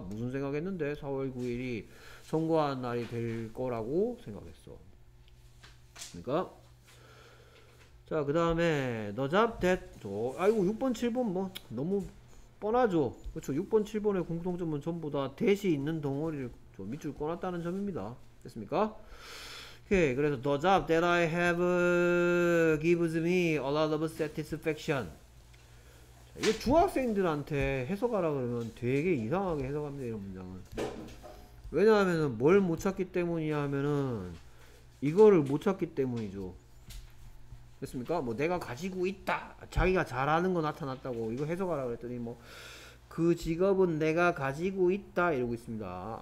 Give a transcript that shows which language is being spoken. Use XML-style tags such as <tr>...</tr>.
<ko>무슨 생각했는데 4월 9일이 선거한 날이 될 거라고 생각했어. 그러니까 자, 그 다음에</ko> <en>the job that</en> <ko>아이고 6번 7번 뭐 너무 뻔하죠. 그렇죠. 6번 7번의 공통점은 전부 다 that이 있는 덩어리를 저 밑줄 꺼놨다는 점입니다. 됐습니까? 오케이.</ko> <en>그래서 the job that I have gives me a lot of satisfaction.</en> <ko>이게 중학생들한테 해석하라 그러면 되게 이상하게 해석합니다, 이런 문장은. 왜냐하면은 뭘못 찾기 때문이냐 하면은 이거를 못 찾기 때문이죠. 됐습니까? 뭐 내가 가지고 있다, 자기가 잘하는 거 나타났다고 이거 해석하라 그랬더니 뭐그 직업은 내가 가지고 있다 이러고 있습니다.</ko>